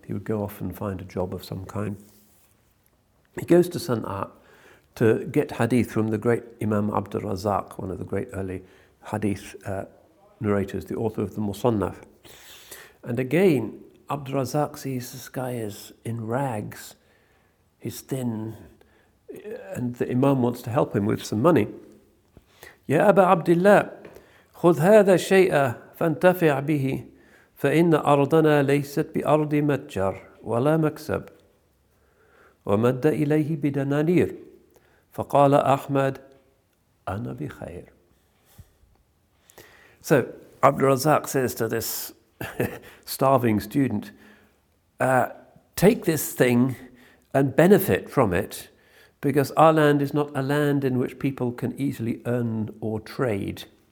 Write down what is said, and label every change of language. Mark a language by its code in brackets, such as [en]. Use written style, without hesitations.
[en] He would go off and find a job of some kind. He goes to Sana'a to get hadith from the great Imam Abdul Razak, one of the great early hadith narrators, the author of the Musannaf. And again, Abdul Razak sees this guy is in rags, he's thin, and the Imam wants to help him with some money. [ar] Ya Aba Abdullah, خذ هذا شيئا فانتفع به فإن أرضنا ليست بأرض متجر ولا مكسب ومد إليه بدنانير فقال أحمد أنا بخير. [en] So Abdul Razak says to this starving student, take this thing and benefit from it, because our land is not a land in which people can easily earn or trade.